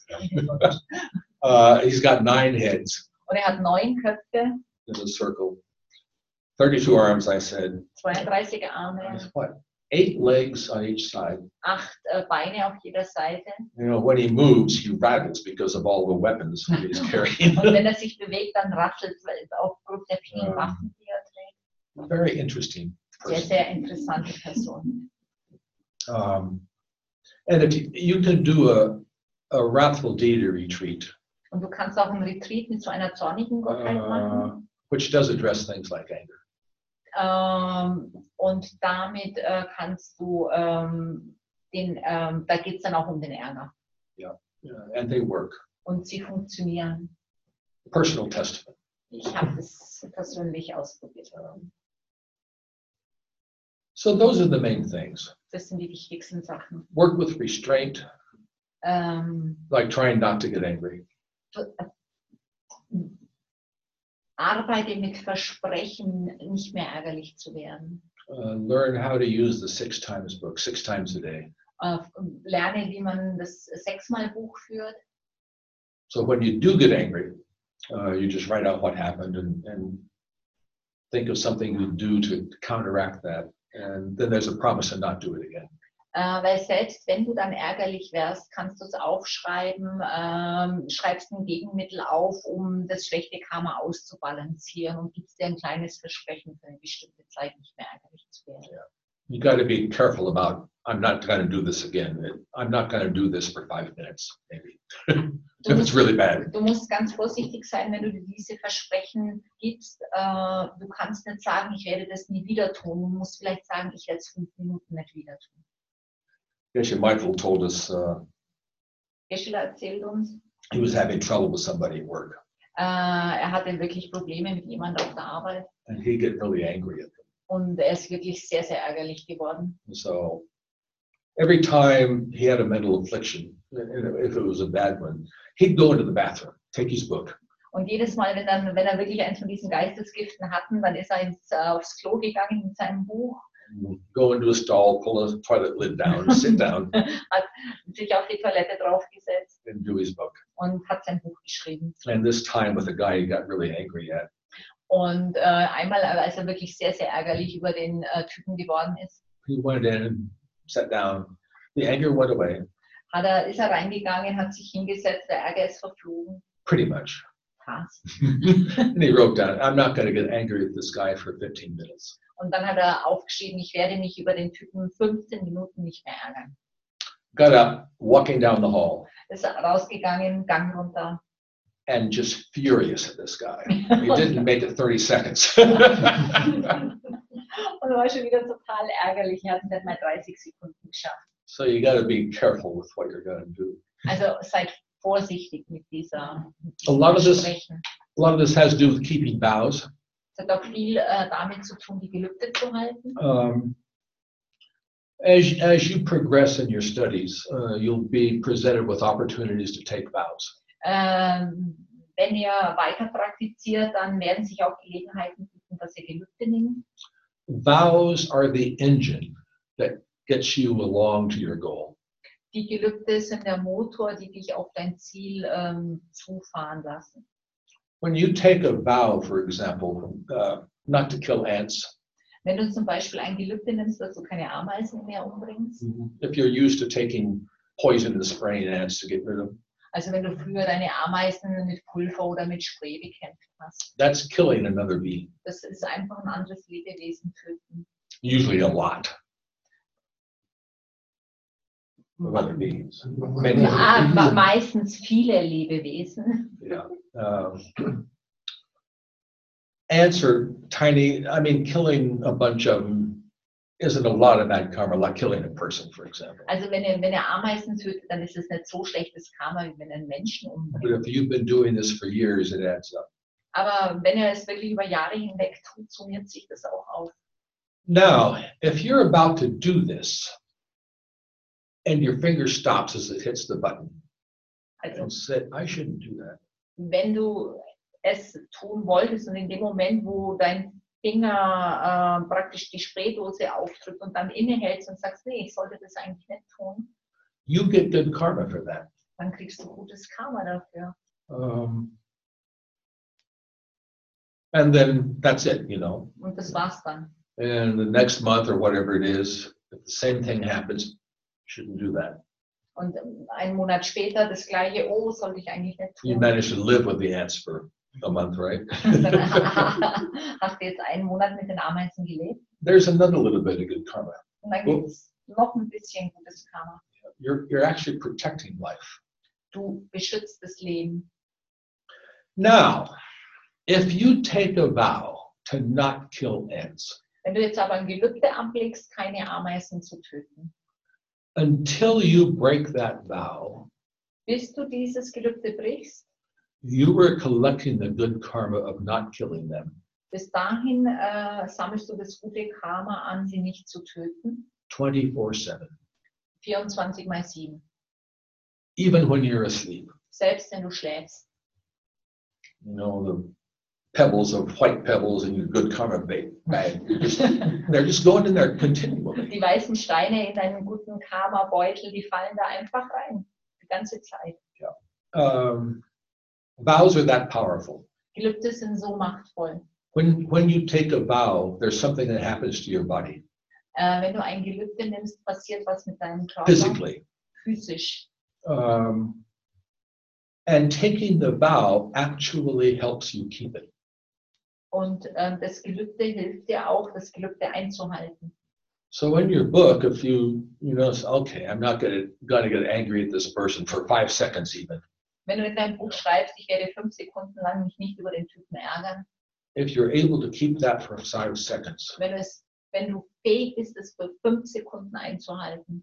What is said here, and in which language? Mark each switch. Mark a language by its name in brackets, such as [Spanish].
[English] He's got 9 heads. [German] Und hat 9 Köpfe. [English] In a circle. 32 arms, I said. [German] 32 Arme. [English] What? 8 legs on each side. [German] 8 Beine auf jeder Seite. [English] You know, when he moves, he rattles because of all the weapons he's carrying. [German] Und wenn sich bewegt, dann rattelt es aufgrund der vielen Waffen, die trägt. [English] Very interesting [German] person. Sehr, sehr interessante Person. [English] And if you can do a wrathful deity retreat. [German] Und du kannst auch ein Retreat mit so einer zornigen Gottheit machen. [English] Which does address things like anger. [German] Und damit kannst du da geht's dann auch den Ärger. [English] Yeah, and they work. [German] Und sie funktionieren. [English] Personal testament. [German] Ich habe das persönlich ausprobiert. [English] So those are the main things. [German] Das sind die wichtigsten Sachen. [English] Work with restraint. Like trying not to get angry. [German] Arbeite mit Versprechen, nicht mehr ärgerlich zu werden. [English] Learn how to use the 6 times book, 6 times a day. [German] Lerne, wie man das 6-mal Buch führt. [English] So when you do get angry, you just write out what happened and think of something you do to counteract that. And then there's a promise to not do it again. [German] Weil selbst wenn du dann ärgerlich wärst, kannst du es aufschreiben, schreibst ein Gegenmittel auf, um das schlechte Karma auszubalancieren und gibst dir ein kleines Versprechen für eine bestimmte Zeit, nicht mehr ärgerlich zu werden. [English] Yeah. You gotta be careful about, I'm not gonna do this again. I'm not gonna do this for 5 minutes, maybe. If it's really bad. [German] Du musst ganz vorsichtig sein, wenn du dir diese Versprechen gibst. Du kannst nicht sagen, ich werde das nie wieder tun. Du musst vielleicht sagen, ich werde es 5 Minuten nicht wieder tun. [English] Geshe Michael told us. [German] Geshe erzählt uns. [English] He was having trouble with somebody at work. [German] Er hatte wirklich Probleme mit jemandem auf der Arbeit. [English] And he got really angry at them. [German] Und er ist wirklich sehr, sehr ärgerlich geworden. [English] So Every time he had a mental affliction, if it was a bad one, he'd go into the bathroom, take his book. [German] Und jedes Mal, wenn er wirklich eins von diesen Geistesgiften hatten, dann ist er aufs Klo gegangen mit seinem Buch. [English] Go into a stall, pull a toilet lid down, sit down. [German] Hat sich auf die Toilette draufgesetzt. [English] And do his book. [German] Und hat sein Buch geschrieben. [English] And this time with a guy he got really angry at. [German] Und einmal, als er wirklich sehr, sehr ärgerlich über den Typen geworden ist. [English] He went in and sat down. The anger went away. [German] Ist er reingegangen, hat sich hingesetzt, der Ärger ist verflogen. [English] Pretty much. And he wrote down, I'm not going to get angry at this guy for 15 minutes. [German] Und dann hat er aufgeschrieben, ich werde mich über den Typen 15 Minuten nicht mehr ärgern. [English] Got up, walking down the hall. [German] Ist rausgegangen, Gang runter. [English] And just furious at this guy. He didn't make it 30 seconds. [German] Und war schon wieder total ärgerlich. Er hat nicht mal 30 Sekunden geschafft. [English] So you got to be careful with what you're going to do. [German] Also seid vorsichtig mit dieser [English] A lot of this has to do with keeping vows. [German] Es hat auch viel damit zu tun, die Gelübde zu halten. [English] As you progress in your studies, you'll be presented with opportunities to take vows. [German] Wenn ihr weiter praktiziert, dann werden sich auch Gelegenheiten bieten, dass ihr Gelübde nehmt. [English] Vows are the engine that gets you along to your goal. [German] Die Gelübde sind der Motor, die dich auf dein Ziel zufahren lassen. [English] When you take a vow, for example, not to kill ants. [German] Wenn du zum Beispiel ein Gelübde nimmst, dass du keine Ameisen mehr umbringst. [English] If you're used to taking poison and spraying ants to get rid of. [German] Also wenn du früher deine Ameisen mit Pulver oder mit Spray bekämpft hast. [English] That's killing another bee. [German] Das ist einfach ein anderes Lebewesen töten. [English] Usually a lot. Many [German] meistens viele Lebewesen. [English] Yeah. Ants are tiny. I mean, killing a bunch of them isn't a lot of bad karma, like killing a person, for example. [German] Also wenn ihr Ameisen tötet, dann ist es nicht so schlechtes Karma, wie wenn ein Menschen umbringt. [English] But if you've been doing this for years, it adds up. [German] Aber wenn ihr es wirklich über Jahre hinweg tut, summiert sich das auch auf. [English] Now, if you're about to do this, and your finger stops as it hits the button. [German] Also, [English] and said, I shouldn't do that. [German] Wenn du es tun wolltest und in dem Moment, wo dein Finger praktisch die Spraydose aufdrückt und dann innehältst und sagst, nee, ich sollte das eigentlich nicht tun. [English] You get good karma for that. [German] Dann kriegst du gutes Karma dafür. [English] And then that's it, you know. [German] Und das war's dann. [English] And the next month or whatever it is, if the same thing happens, shouldn't do that. [German] Und einen Monat später das gleiche, oh, sollte ich eigentlich nicht tun. [English] You managed to live with the ants for a month, right? [German] Hast du jetzt einen Monat mit den Ameisen gelebt? [English] There's another little bit of good karma. [German] Und dann gibt es noch ein bisschen gutes Karma. [English] You're actually protecting life. [German] Du beschützt das Leben. [English] Now, if you take a vow to not kill ants. [German] Wenn du jetzt aber ein Gelübde ablegst, keine Ameisen zu töten. [English] Until you break that vow, [German] bis du dieses Gelübde brichst, [English] you are collecting the good karma of not killing them. [German] Bis dahin sammelst du das gute Karma an, sie nicht zu töten. [English] 24/7. [German] 24 mal 7. [English] Even when you're asleep. [German] Selbst wenn du schläfst. [English] You know, the pebbles of white pebbles in your good karma bag. They're just going in there continually. [German] Die weißen Steine in deinem guten Karma-Beutel, die fallen da einfach rein. Die ganze Zeit. [English] Yeah. Vows are that powerful. [German] Gelübde sind so machtvoll. [English] When you take a vow, there's something that happens to your body. [German] Wenn du ein Gelübde nimmst, passiert was mit deinem Körper. [English] Physically. [German] Physisch. [English] And taking the vow actually helps you keep it. [German] Und das Gelübde hilft dir auch, das Gelübde einzuhalten. [English] So in your book, if you know, okay, I'm not gonna get angry at this person for 5 seconds even. [German] Wenn du in deinem Buch schreibst, ich werde 5 Sekunden lang mich nicht über den Typen ärgern. [English] If you're able to keep that for 5 seconds. [German] Wenn du fähig bist, das für 5 Sekunden einzuhalten.